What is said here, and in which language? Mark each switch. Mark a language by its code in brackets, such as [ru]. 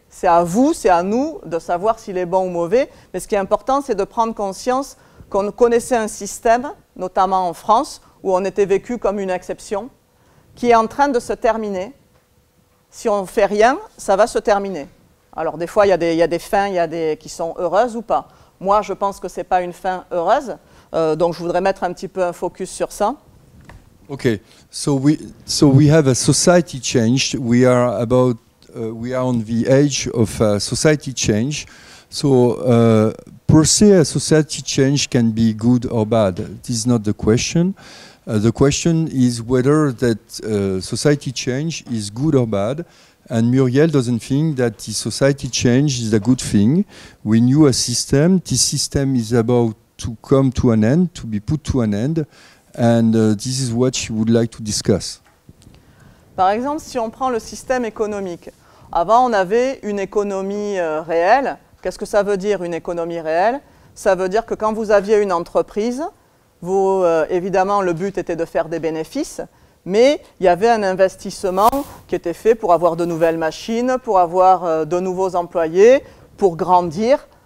[fr] C'est à vous, c'est à nous de savoir s'il est bon ou mauvais. Mais ce qui est important, c'est de prendre conscience qu'on connaissait un système, notamment en France, où on était vécu comme une exception, qui est en train de se terminer. Si on ne fait rien, ça va se terminer. Alors, des fois, il y a des fins qui sont heureuses ou pas. Moi, je pense que ce n'est pas une fin heureuse. Donc, je voudrais mettre un petit peu un focus sur ça. [en] Okay, so we have a society change. We are on the edge of a society change. So per se, a society change can be good or bad. This is not the question. The question is whether that society change is good or bad. And Muriel doesn't think that the society change is a good thing. We knew a system. This system is about to come to an end, to be put to an end. And this is what she would like to discuss. [fr] Par exemple, si on prend le système économique, avant on avait une économie réelle. Qu'est-ce que ça veut dire une économie réelle? Ça veut dire que quand vous aviez une entreprise, vous, évidemment le but était de faire des bénéfices, mais il y avait un investissement qui était fait pour avoir de nouvelles machines, pour avoir de nouveaux employés, pour grandir.